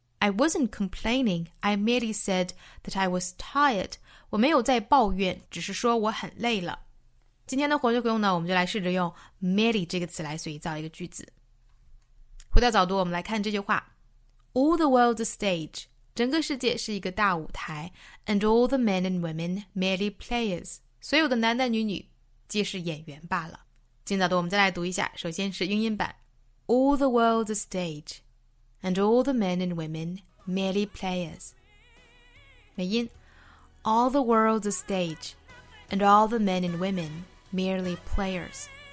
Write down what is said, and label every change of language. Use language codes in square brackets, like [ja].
[en] I wasn't complaining. I merely said that I was tired. [zh] 我没有在抱怨，只是说我很累了。今天的活学活用呢，我们就来试着用 merely 这个词来随意造一个句子。回到早读，我们来看这句话。 [en] All the world's a stage. [zh] 整个世界是一个大舞台。 [en] And all the men and women merely players. [zh] 所有的男男女女皆是演员罢了。今早的我们再来读一下，首先是英音版。 [en] All the world's a stage, and all the men and women merely players. [zh] 美音。 [en] All the world's a stage, and all the men and women merely players.